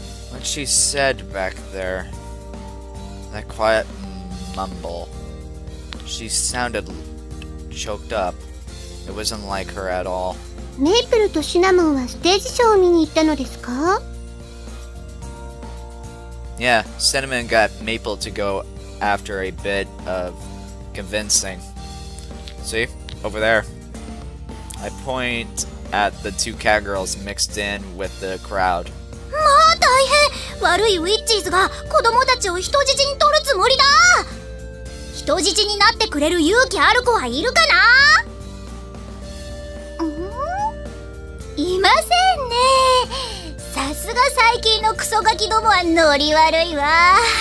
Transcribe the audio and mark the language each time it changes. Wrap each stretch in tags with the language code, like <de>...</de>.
<en>What she said back there, that quiet mumble, she sounded choked up. It wasn't like her at all.</en> <ja>メイプルとシナモンはステージショーを見に行ったのですか?</ja> <en>Yeah, Cinnamon got Maple to go after a bit of convincing. See? Over there. I point at the two cowgirls mixed in with the crowd.</en> <ja>もう大変!悪いウィッチーズが子供たちを人質に取るつもりだ! 人質になってくれる勇気ある子はいるかな? いませんね。さすが最近のクソガキどもはノリ悪いわ。</ja>